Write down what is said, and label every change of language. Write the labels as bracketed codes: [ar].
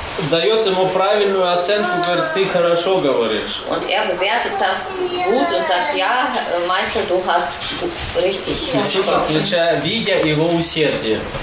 [ru] дает ему правильную оценку, говорит, ты хорошо говоришь. [de] Und er bewertet das gut und sagt, ja, Meister, du hast richtig. [ru] Иисус отвечает, видя его усердие.